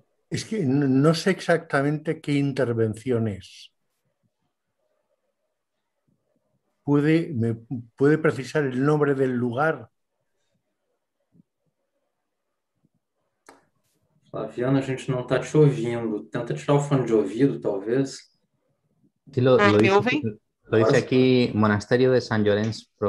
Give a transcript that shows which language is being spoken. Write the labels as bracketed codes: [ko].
[es] Es que no sé exactamente qué intervención es. ¿Me puede precisar el nombre del lugar? [pt] Flaviana, a gente não está te ouvindo. Tenta tirar o fone de ouvido, talvez. [es] Sí, lo dice aquí, Monasterio de San Llorenç.